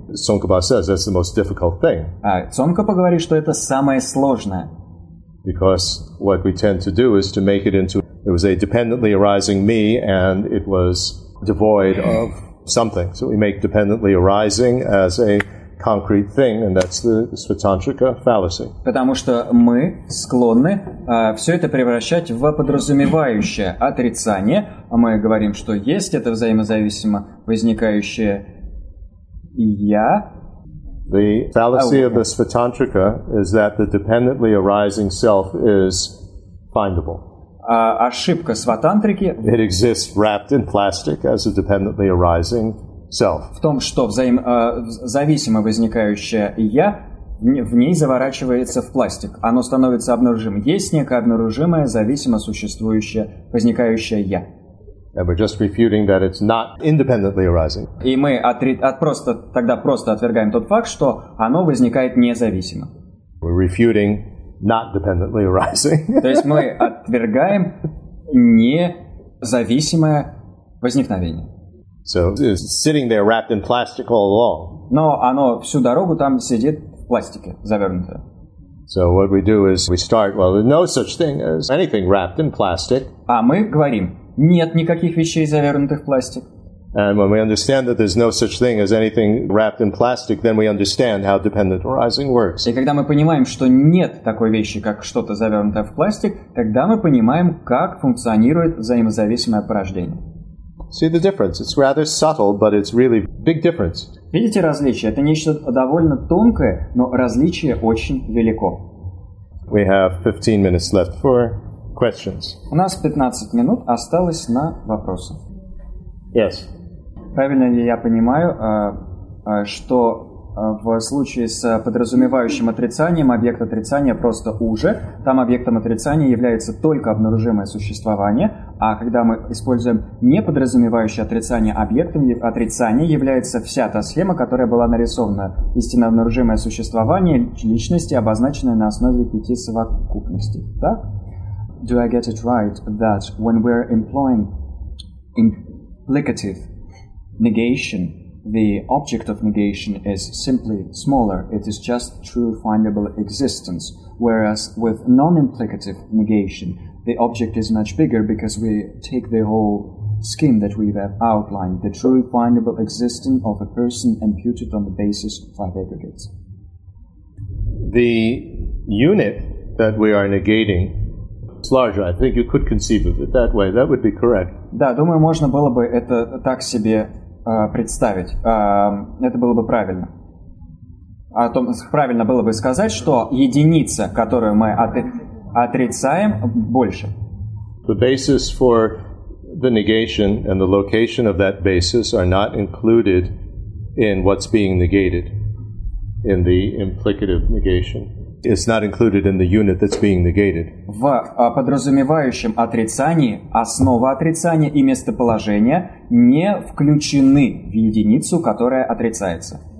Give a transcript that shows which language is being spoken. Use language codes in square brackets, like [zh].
[en] Цонкпа says that's the most difficult thing. [ru] А Цонкпа говорит, что это самое сложное. [en] Because what we tend to do is to make it into it was a dependently arising me and it was devoid of something. So we make dependently arising as a concrete thing, and that's the Svatantrika fallacy. [ru] Потому что мы склонны все это превращать в подразумевающее отрицание. Мы говорим, что есть это взаимозависимо возникающее я. [en] The fallacy of the Svatantrika is that the dependently arising self is findable. [ru] Ошибка Сватантрики. [en] It exists wrapped in plastic as a dependently arising self. [ru] В том, что зависимо возникающее я в ней заворачивается в пластик. Оно становится обнаружимым. Есть некое обнаружимое, зависимо существующее, возникающее «я». [en] And we're just refuting that it's not independently arising. [ru] И мы просто отвергаем тот факт, что оно возникает независимо. [en] We're refuting not dependently arising. [ru] То есть мы отвергаем независимое возникновение. [en] So it's sitting there wrapped in plastic all along. [ru] Но оно всю дорогу там сидит в пластике, завернутое. [en] So what we do is we start, well, there's no such thing as anything wrapped in plastic. [ru] А мы говорим: нет никаких вещей, завернутых в пластик. [en] And when we understand that there's no such thing as anything wrapped in plastic, then we understand how dependent arising works. [ru] И когда мы понимаем, что нет такой вещи, как что-то завернутое в пластик, тогда мы понимаем, как функционирует взаимозависимое порождение. [en] See the difference? It's rather subtle, but it's really big difference. [ru] Видите различие? Это нечто довольно тонкое, но различие очень велико. [en] We have 15 minutes left for questions. [ru] У нас 15 минут осталось на вопросы. [en] Yes. [ru] Правильно ли я понимаю, что в случае с подразумевающим отрицанием объект отрицания просто уже, там объектом отрицания является только обнаружимое существование, а когда мы используем неподразумевающее отрицание, объектом отрицания является вся та схема, которая была нарисована, истинно обнаружимое существование личности, обозначенное на основе пяти совокупностей, так? [en] Do I get it right that when we're employing implicative negation, the object of negation is simply smaller, it is just true findable existence, whereas with non-implicative negation, the object is much bigger because we take the whole scheme that we have outlined, the true findable existence of a person imputed on the basis of five aggregates? The unit that we are negating, it's larger. I think you could conceive of it that way. That would be correct. [ru] Да, думаю, можно было бы это так себе представить. Это было бы правильно. О том, правильно было бы сказать, что единица, которую мы отрицаем, больше. [en] The basis for the negation and the location of that basis are not included in what's being negated, in the implicative negation. It's not included in the unit that's being negated. [ru] В подразумевающем отрицании основа отрицания и местоположение не включены в единицу, которая отрицается.